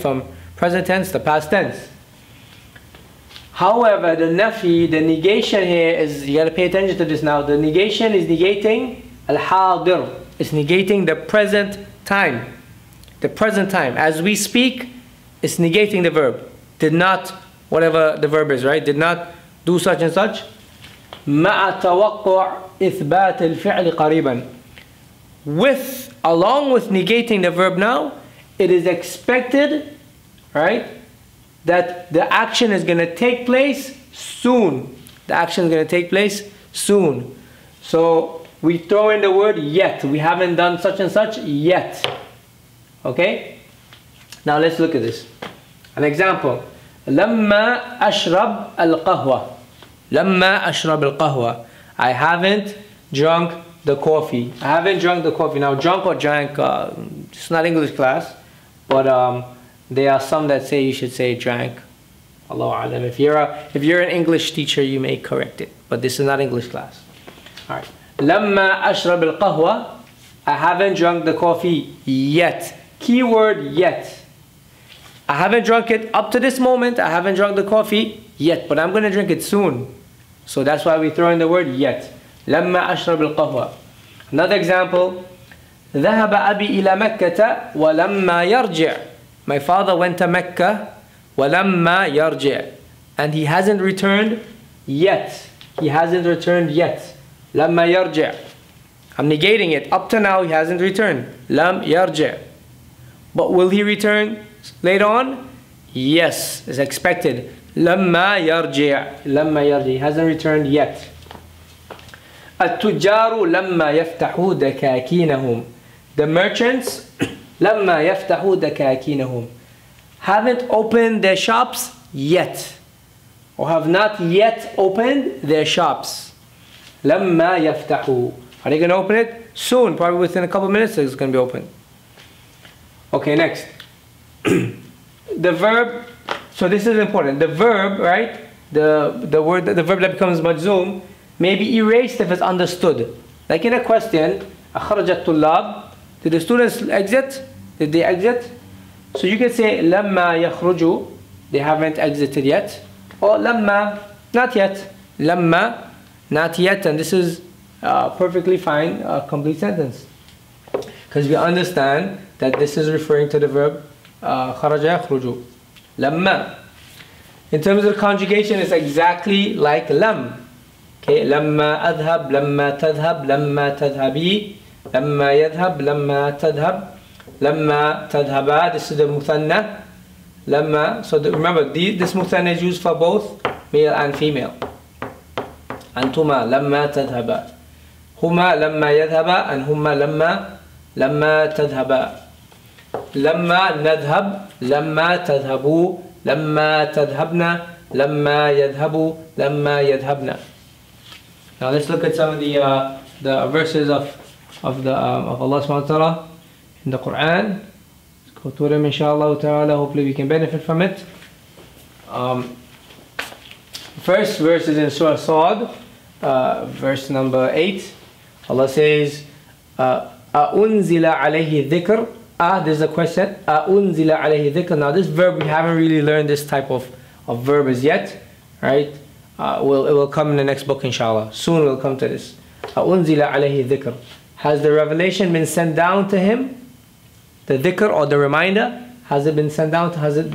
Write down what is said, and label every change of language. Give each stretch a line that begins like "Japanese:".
English: From present tense to past tense. However, the نَفِي, the negation here is, you gotta pay attention to this now, the negation is negating الحاضر. It's negating the present time. The present time. As we speak, it's negating the verb. Did not, whatever the verb is, right? Did not do such and such.
Arabic: مع توقع إثبات الفعل قريبا.
English: With, along with negating the verb now, it is expected, right, that the action is going to take place soon. The action is going to take place soon. So we throw in the word yet. We haven't done such and such yet. Okay? Now let's look at this. An example.
Arabic: لما أشرب القهوة. لما أشرب القهوة.
English: I haven't drunk the coffee. I haven't drunk the coffee. Now, drunk or drank, it's not English class, but there are some that say you should say drank. Allahu a'lam. If you're an English teacher, you may correct it, but this is not English class. All right.
Arabic: لما أشرب القهوة.
English: I haven't drunk the coffee yet. Keyword yet. I haven't drunk it up to this moment. I haven't drunk the coffee yet, but I'm going to drink it soon. So that's why we throw in the word yet.
Arabic: لما أشرب القهوة.
English: Another example.
Arabic: ذهب أبي إلى مكة ولما يرجع.
English: My father went to Mecca
Arabic: ولما يرجع.
English: And he hasn't returned yet. He hasn't returned yet. لما يرجع. I'm negating it. Up to now he hasn't returned.
Arabic: لم يرجع.
English: But will he return later on? Yes, it's expected.
Arabic: لما يرجع. لما يرجع.
English: He hasn't returned yet.
Arabic: التجار لما يفتحوا دكاكينهم.
English: The merchants
Arabic: لما يفتحوا دكاكينهم.
English: Haven't opened their shops yet. Or have not yet opened their shops.
Arabic: لما يفتحوا.
English: Are they going to open it? Soon, probably within a couple of minutes it's going to be open. Okay, next. The verb, so this is important. The verb, right? The verb that becomes majzoom may be erased if it's understood. Like in a question,
Arabic: أخرج الطلاب.
English: Did the students exit? Did they exit? So you can say
Arabic: لما يخرجوا.
English: They haven't exited yet. Or لما, not yet. لما, not yet. And this is perfectly fine, a complete sentence. Because we understand that this is referring to the verb
Arabic: خرج يخرج لما.
English: In terms of conjugation, it's exactly like لم.
Arabic: Okay, لما أذهب لما تذهب لما تذهبي لما يذهب لما تذهب لما تذهبا.
English: This is the
Arabic: مثنى لما.
English: So remember, this مثنى is used for both male and female.
Arabic: أنتما لما تذهبا هما لما يذهبا and هما لما تذهبا. لما نذهب لما تذهبوا لما تذهبنا لما يذهبوا لما يذهبنا.
English: Now let's look at some of the verses of Allah subhanahu wa ta'ala in the Quran. Let's go through them inshallah ta'ala. Hopefully we can benefit from it. First verse is in Surah Sa'd, verse number 8. Allah says
Arabic: أُنزِلَ عَلَيْهِ الذِّكْرُ.
English: This is a question.
Arabic: أُنزِلَ عَلَيْهِ ذِكْرٌ.
English: Now this verb, we haven't really learned this type of verb as yet, right? It will come in the next book, inshallah. Soon we'll come to this.
Arabic: أُنزِلَ عَلَيْهِ ذِكْرٌ.
English: Has the revelation been sent down to him? The ذِكْر or the reminder, has it been sent down to him?